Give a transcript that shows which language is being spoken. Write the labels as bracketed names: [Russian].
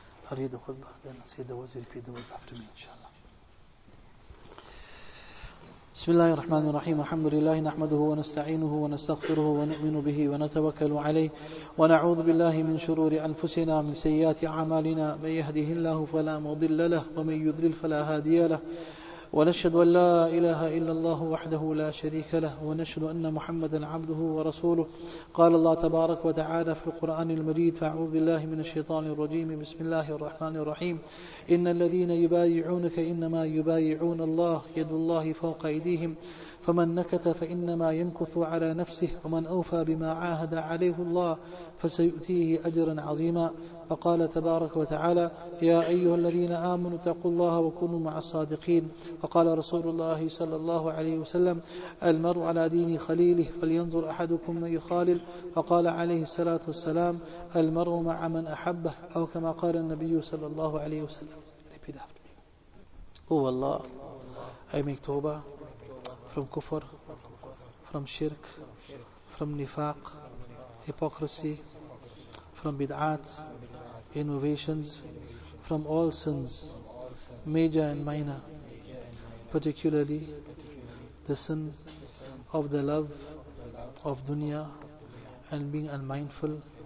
[English] Read the khutbah, then say the words, repeat the words after me, inshallah. [Arabic] بسم الله الرحمن الرحيم. الحمد لله نحمده ونستعينه ونستغفره ونؤمن به ونتوكل عليه ونعوذ بالله من شرور أنفسنا من سيئات أعمالنا. من يهده الله فلا مضل له ومن يضلل فلا هادي له. ونشهد أن لا إله إلا الله وحده لا شريك له ونشهد أن محمدا عبده ورسوله. قال الله تبارك وتعالى في القرآن المجيد فأعوذ بالله من الشيطان الرجيم بسم الله الرحمن الرحيم. إن الذين يبايعونك إنما يبايعون الله يد الله فوق أيديهم فمن نكث فإنما ينكث على نفسه ومن أوفى بما عاهد عليه الله فسيؤتيه أجرا عظيما. فقال تبارك وتعالى يا أيها الذين آمنوا اتقوا الله وكونوا مع الصادقين. فقال رسول الله صلى الله عليه وسلم المرء على دين خليله فلينظر أحدكم من يخالل. فقال عليه الصلاة والسلام المرء مع من أحبه أو كما قال النبي صلى الله عليه وسلم. هو الله [English] I make توبة from kufr, from shirk, from nifaq, hypocrisy, from bid'at, innovations, from all sins, major and minor, particularly the sin of the love of dunya and being unmindful